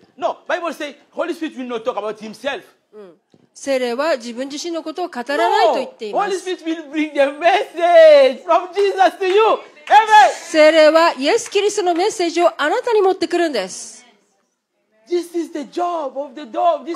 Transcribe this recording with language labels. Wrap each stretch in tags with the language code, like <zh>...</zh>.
<en>No, Bible says Holy Spirit will not talk about himself.</en> <ja>聖霊は自分自身のことを語らないと言っています。</ja> <en>No, Holy Spirit will bring the message from Jesus to you. Amen.</en> <ja>聖霊はイエス・キリストのメッセージをあなたに持ってくるんです。</ja> <en>This is the job of the dove. This</en>